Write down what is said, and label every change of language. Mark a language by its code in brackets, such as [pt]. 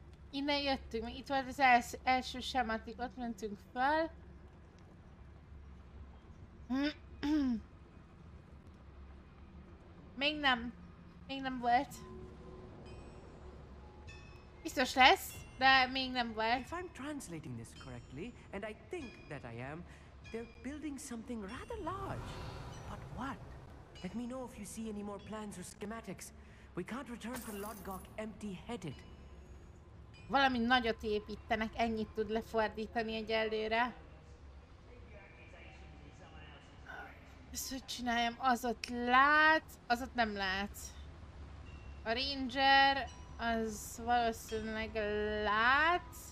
[hu] Innen jöttünk, itt volt az első sematik, ott mentünk fel. Még nem volt. Biztos lesz, de még nem volt. [en] If I'm translating this correctly, and I think that I am, they're building something rather large. But what? Let me know if you see any more plans or schematics. We can't return to Lodgok empty-headed. [hu] Valami nagyot építenek, ennyit tud lefordítani egyelőre. Ezt hogy csináljam? Az ott lát, az ott nem lát. A ranger az valószínűleg lát.